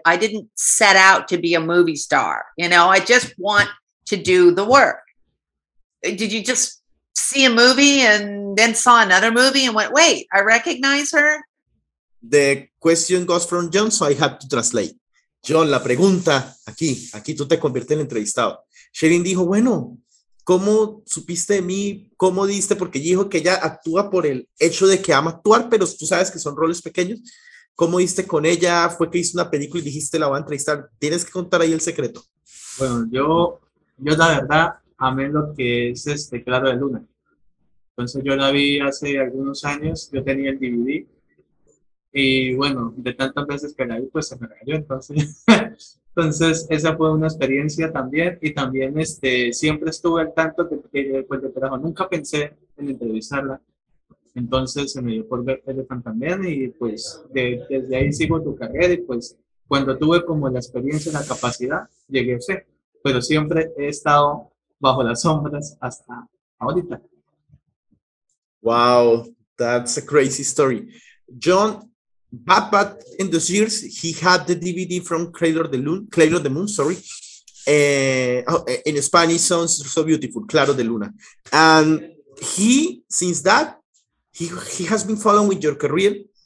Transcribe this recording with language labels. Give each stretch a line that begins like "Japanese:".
English: I didn't set out to be a movie star. You know, I just want to do the work. Did you just see a movie and then saw another movie and went, wait, I recognize her? The question goes from John, so I have to translate.
Spanish: John, la pregunta, aquí tú te conviertes en entrevistado. Sherilyn dijo, bueno, ¿cómo supiste de mí? ¿Cómo diste? Porque ella dijo que ella actúa por el hecho de que ama actuar, pero tú sabes que son roles pequeños. ¿Cómo diste con ella? ¿Fue que hizo una película y dijiste la voy a entrevistar? Tienes que contar ahí el secreto. Bueno, yo la verdad amé lo que es este Claro de Luna. Entonces yo la vi hace algunos años, yo tenía el DVD. Y bueno, de tantas veces que la vi, pues se me regaló, entonces... Entonces, esa fue una experiencia también, y también siempre estuve al tanto de trabajo. Nunca pensé en entrevistarla, entonces se me dio por ver Elephant también, y pues desde ahí sigo tu carrera, y pues cuando tuve como la experiencia, la capacidad, llegué a ser, pero siempre he estado bajo las sombras hasta ahorita.
English: Wow, that's a crazy story. Jhon, But in those years, he had the DVD from Cradle of the Moon, sorry, in Spanish, sounds so beautiful, Claro de Luna. And he, since that, he has been following with your career.